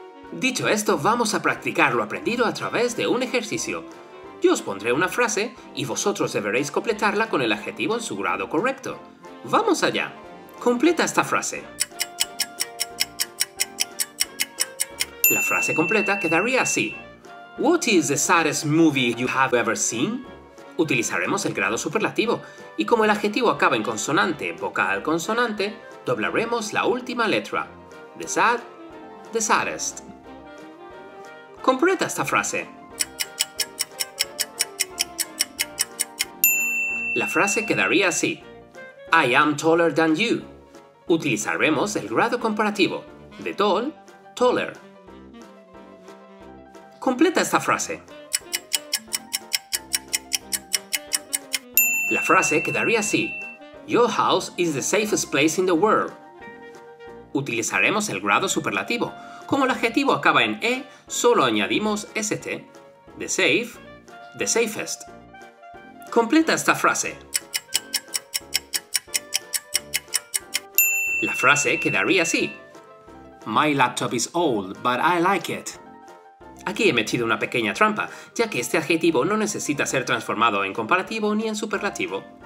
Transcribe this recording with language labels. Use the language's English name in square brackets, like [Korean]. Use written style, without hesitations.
[Spanish] Dicho esto, vamos a practicar lo aprendido a través de un ejercicio. Yo os pondré una frase y vosotros deberéis completarla con el adjetivo en su grado correcto. ¡Vamos allá! Completa esta frase. La frase completa quedaría así. [English] What is the saddest movie you have ever seen? [Spanish] Utilizaremos el grado superlativo, y como el adjetivo acaba en consonante, vocal, consonante, doblaremos la última letra, the sad, the saddest. Completa esta frase. [English] La frase quedaría así. I am taller than you. [Spanish] Utilizaremos el grado comparativo, the tall, taller. Completa esta frase. La frase quedaría así. [English] Your house is the safest place in the world. [Spanish] Utilizaremos el grado superlativo. Como el adjetivo acaba en e, solo añadimos st. [English] The safe, the safest. Completa esta frase. [Spanish] La frase quedaría así. [English] My laptop is old, but I like it. [Spanish] Aquí he metido una pequeña trampa, ya que este adjetivo no necesita ser transformado en comparativo ni en superlativo.